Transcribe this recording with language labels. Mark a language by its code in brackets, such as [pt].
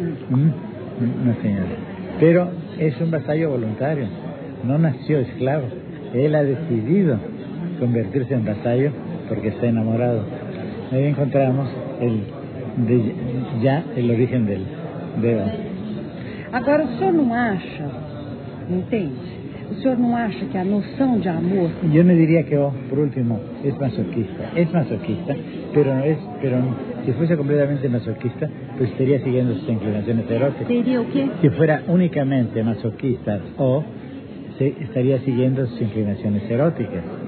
[es] Una señora, pero es un vasallo voluntario, no nació esclavo. Él ha decidido convertirse en vasallo porque está enamorado. Ahí encontramos el origen del Deo. [pt] Agora o senhor não acha, entende? O senhor não acha que a noção de amor... [es] Yo me diría que por último, es masoquista. Es masoquista, pero si fuese completamente masoquista, pues estaría siguiendo sus inclinaciones eróticas. ¿Sería o qué? Si fuera únicamente masoquista estaría siguiendo sus inclinaciones eróticas.